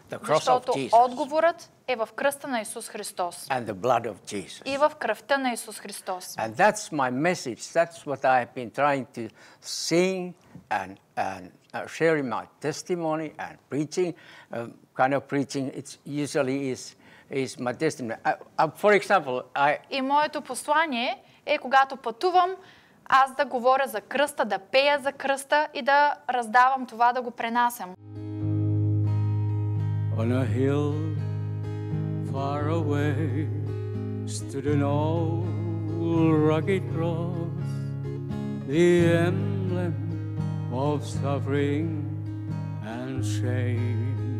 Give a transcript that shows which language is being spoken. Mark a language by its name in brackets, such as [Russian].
[Bulgarian] Защото отговорът е в кръста на Исус Христос. [English] And the blood of Jesus. [Bulgarian] И в кръвта на Исус Христос. [English] And that's my message. That's what I have been trying to sing and sharing my testimony and preaching. Kind of preaching it's usually is my testimony. For example, [Bulgarian] И моето послание е когато пътувам, аз да говоря за кръста, да пея за кръста и да раздавам това, да го пренасям. [English] On a hill far away stood an old rugged cross, the emblem of suffering and shame.